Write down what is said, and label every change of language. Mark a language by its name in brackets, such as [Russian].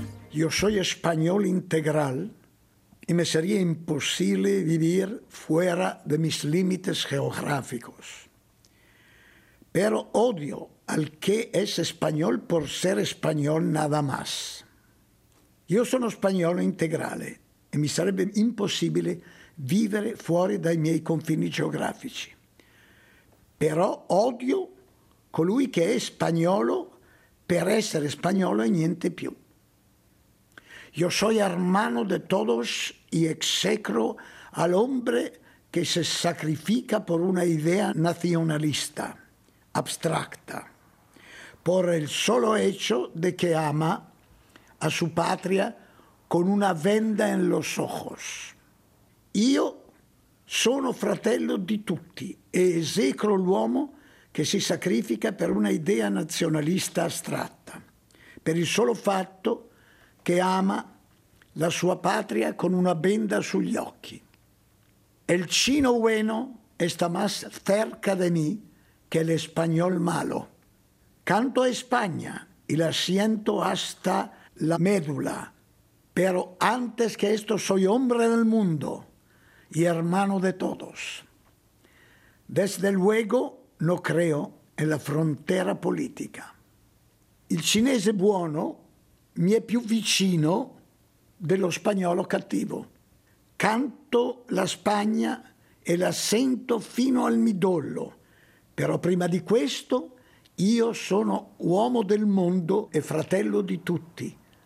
[Spanish] Io soy español integral y me sería imposible vivir fuera de mis límites geográficos. Pero odio al que es español por ser español nada más. [Italian] Io sono spagnolo integrale e mi sarebbe impossibile vivere fuori dai miei confini geografici. Però odio colui che è spagnolo per essere spagnolo e niente più. [Spanish] Io soy hermano de todos y execro al hombre que se sacrifica por una idea nacionalista, abstracta, por el solo hecho de que ama a su patria con una venda en los ojos. [Italian] Io sono fratello di tutti e esecro l'uomo che si sacrifica per una idea nazionalista astratta, per il solo fatto che ama la sua patria con una venda sugli occhi. [Spanish] El chino bueno está más cerca de mí que el español malo. Canto a España y la siento hasta la médula, pero antes que esto soy hombre del mundo y hermano de todos. Desde luego no creo en la frontera política. [Italian] Il cinese buono mi è più vicino dello spagnolo cattivo. Canto la Spagna e la sento fino al midollo, però prima di questo io sono uomo del mondo e fratello di tutti.